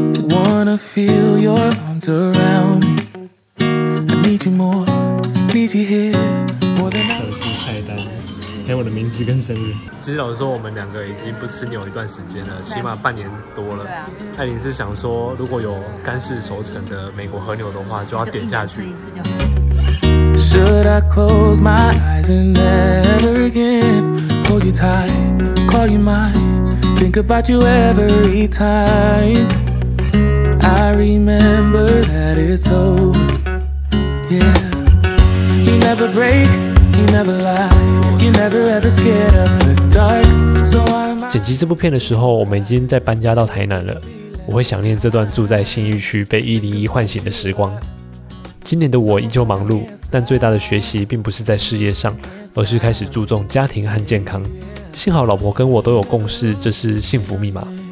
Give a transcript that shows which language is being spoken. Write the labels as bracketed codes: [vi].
[en] Wanna feel your arms around me. I need you more, need you here more than ever. [zh] 手机菜单，还有我的名字跟生日。其实老实说，我们两个已经不吃牛一段时间了，起码半年多了。对啊。艾琳是想说，如果有干式熟成的美国和牛的话，就要点下去。 [en] Should I close my eyes and never again hold you tight, call you mine, think about you every time. I remember that it's over, yeah. You never break, you never lie, you never ever scared of the dark. So I'm. [zh] 剪辑这部片的时候，我们已经在搬家到台南了。我会想念这段住在信义区被101唤醒的时光。今年的我依旧忙碌，但最大的学习并不是在事业上，而是开始注重家庭和健康。幸好老婆跟我都有共识，这是幸福密码。